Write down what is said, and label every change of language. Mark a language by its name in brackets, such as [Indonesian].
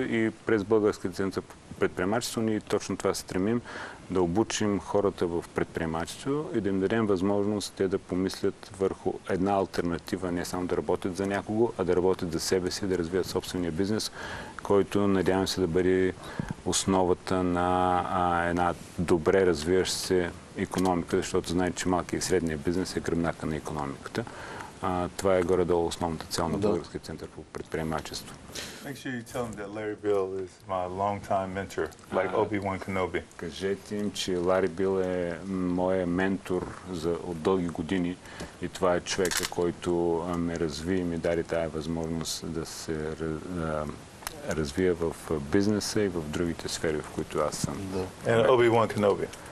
[Bulgarian] И през Българския център по предприемачество ние точно това стремим, да обучим хората в предприемачество и да им дадем възможност те да помислят върху една алтернатива, не само да работят за някого, а да работят за себе си, да развият собствения бизнес, който надявам се да бъде основата на една добре развиваща се икономика, защото знаете, че малкият и средният бизнес е гръбнака на икономиката. Това е горе-долу основната цел на Българския център по предприемачество. [English] Make sure you tell him that Larry Bill is my long-time mentor, like Obi-Wan Kenobi. [Bulgarian] Кажете им, че Лари Бил е моя ментор за от дълги години и това е човека, който ме разви и ми дари тая възможност да се развия в бизнеса и в другите сфери, в които аз съм. [English] And Obi-Wan Kenobi.